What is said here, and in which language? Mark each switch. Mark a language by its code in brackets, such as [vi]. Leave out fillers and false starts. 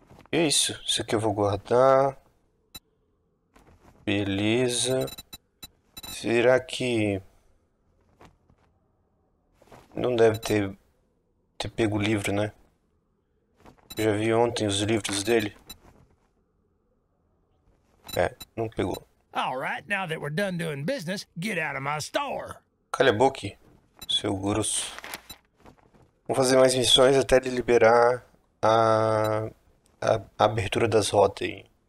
[pt] E é isso. Isso aqui eu vou guardar. Beleza. Será que não deve ter pego o livro, né? Eu já vi ontem os livros dele. Não pegou. [en] Alright, now that we're done doing business, get out of my store. [pt] Cala a boca, seu grosso. Vamos fazer mais missões até ele liberar a abertura das rotas aí.